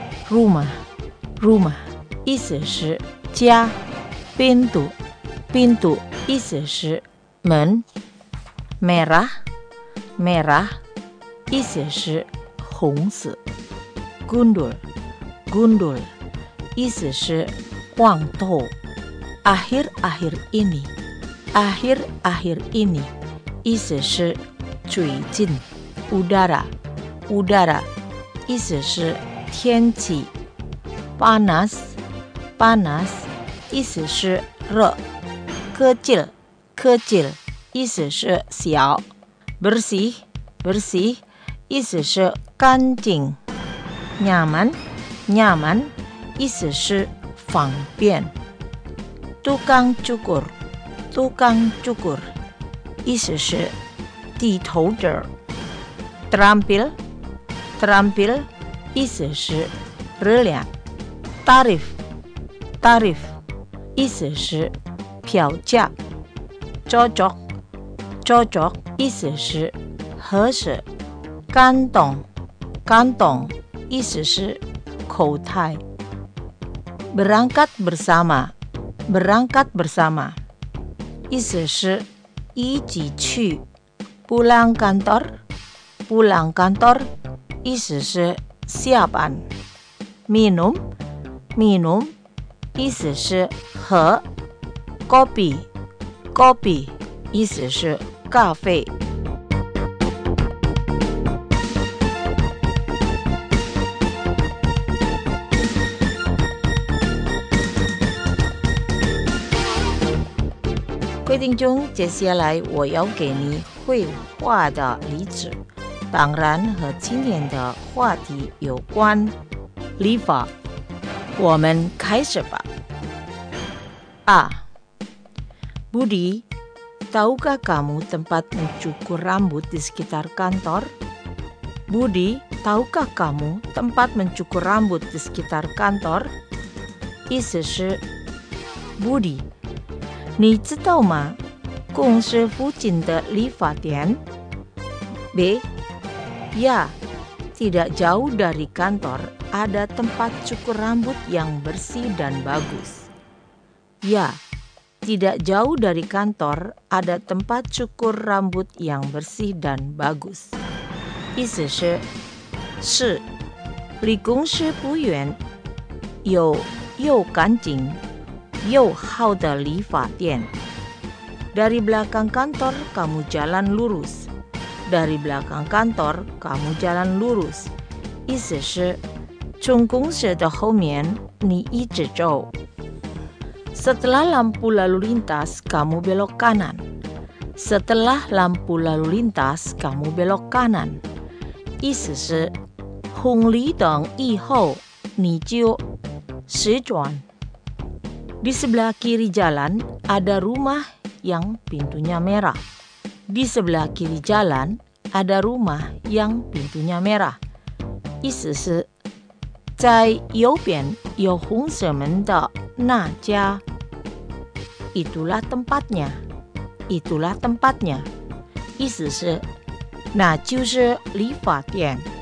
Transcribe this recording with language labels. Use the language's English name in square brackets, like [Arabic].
[Chinese] Rumah 意思是家。 Pintu 意思是门。 Merah 意思是红色。 Gundul 意思是光头。 [Indonesian] Akhir akhir ini， akhir akhir ini， [Chinese] 意思是最近。 Udara， udara， 意思是天气。 Panas， panas， 意思是热。 Kecil， kecil， 意思是小。 Bersih， bersih， 意思是干净。 Nyaman， nyaman， 意思是方便。 [Indonesian] Tukang cukur， tukang cukur， [Chinese] 意思是剃头者。 Terampil， terampil， 意思是热量。 Tarif， tarif， 意思是票价。 Cocok， cocok， 意思是合适。 Kantong， kantong， 意思是口袋。 [Indonesian] Berangkat bersama，berangkat bersama， [Chinese] 意思是一起去。 [Indonesian] Pulang kantor， pulang kantor， [Chinese] 意思是下班。 Minum， minum， 意思是喝。 Kopi， kopi， 意思是咖啡。规定中，接下来我要给你绘画的例子，当然和今天的话题有关，礼法。我们开始吧。 [Indonesian] A， Budi， tahukah kamu tempat mencukur rambut di sekitar kantor？ Budi， tahukah kamu tempat mencukur rambut di sekitar kantor？ [Chinese] 意思是 Budi，你知道吗？公司附近的理发店。 [Indonesian] B， ya， tidak jauh dari kantor ada tempat cukur rambut yang bersih dan bagus。 Ya， tidak jauh dari kantor ada tempat cukur rambut yang bersih dan bagus。 [Chinese] 意思是，是，离公司不远，有又干净。又好的理发店。 [Indonesian] Dari belakang kantor kamu jalan lurus。 Dari belakang kantor kamu jalan lurus， [Chinese] 意思是从公司的后面你一直走。 [Indonesian] Setelah lampu lalu lintas kamu belok kanan。 Setelah lampu lalu lintas kamu belok kanan， [Chinese] 意思是红绿灯以后你就直转。 [Indonesian] Di sebelah kiri jalan ada rumah yang pintunya merah。 Di sebelah kiri jalan ada rumah yang pintunya merah， [Chinese] 意思是在右边有红色门的那家。 [Indonesian] Itulah tempatnya， itulah tempatnya， [Chinese] 意思是那就是理发店。